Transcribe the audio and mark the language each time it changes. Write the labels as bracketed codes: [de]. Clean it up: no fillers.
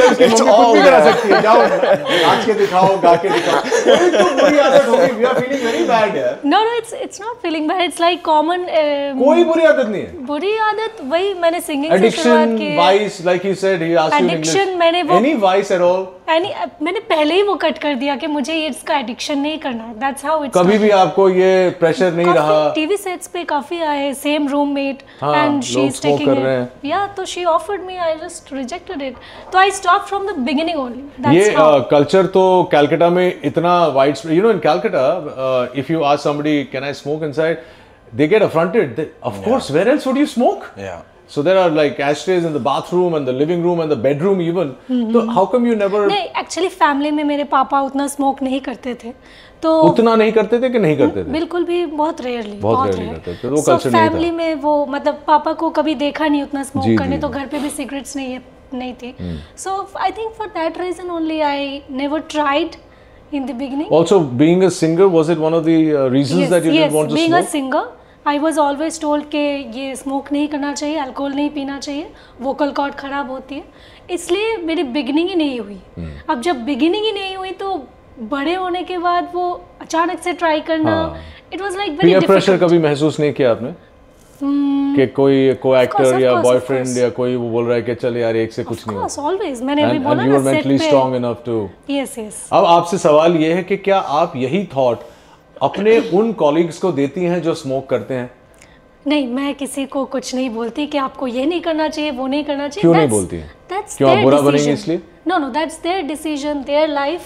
[en] It's all there. [hi] Jao, naach ke dikhao, gaake dikhao. Koi to buri aadat hogi. [en] We are feeling very bad. No, no, it's not feeling bad. It's like common. [hi] Koi buri aadat nahi. Buri aadat, wahi maine singing [en] addiction, [hi] se shuruaat ki. [en] Addiction, vice, like you said, he asked addiction, you in English. Any vice at all? [hi] Any, मैंने पहले ही वो cut कर दिया कि मुझे इसका addiction नहीं करना है. [en] That's how it's [hi] कभी भी आपको ये प्रेशर नहीं रहा. [en] TV sets [hi] पे काफी आए, [en] same roommate and she is taking [hi] कर रहे हैं. [en] या तो she offered me, I just rejected it. तो I stop from the beginning only. [hi] ये कल्चर तो कलकत्ता में इतना [en] Wide spread, you know, in Calcutta if you ask somebody can I smoke inside, they get affronted. Of course, where else would you smoke? या so there are like ashtrays in the bathroom and the living room and the bedroom even. Mm-hmm. So how come you never? No, actually, [hi] family में मेरे पापा उतना smoke नहीं करते थे. तो उतना नहीं करते थे कि नहीं करते थे? बिल्कुल भी, बहुत rarely. बहुत rarely करते थे. तो culture नहीं था. So family में वो मतलब पापा को कभी देखा नहीं उतना smoke करने, तो घर पे भी cigarettes नहीं थी. [en] So I think for that reason only I never tried in the beginning. Also being a singer, was it one of the reasons that you didn't want to smoke? Yes, being a singer. I was always told [hi] के ये smoke नहीं करना चाहिए, alcohol नहीं पीना चाहिए, vocal cord खराब होती है. इसलिए मेरी beginning ही नहीं हुई. अब जब beginning ही नहीं हुई, तो बड़े होने के बाद वो अचानक से try करना, [en] it was like very difficult. [hi] Peer pressure कभी महसूस नहीं किया आपने? कि कोई co-actor या boyfriend या कोई वो बोल रहा है कि चल यार एक से कुछ नहीं. [en] Of course, always. [hi] मैंने भी बोला [en] ना, you were mentally strong enough to. Yes, yes. [hi] अब आपसे सवाल ये है कि क्या आप यही thought अपने उन कॉलीग्स को देती हैं जो स्मोक करते हैं? नहीं, मैं किसी को कुछ नहीं बोलती कि आपको ये नहीं करना चाहिए, वो नहीं करना चाहिए. क्यों नहीं बोलती हैं? क्यों आप बुरा बनेंगे इसलिए? [en] No, no, that's their decision, their life.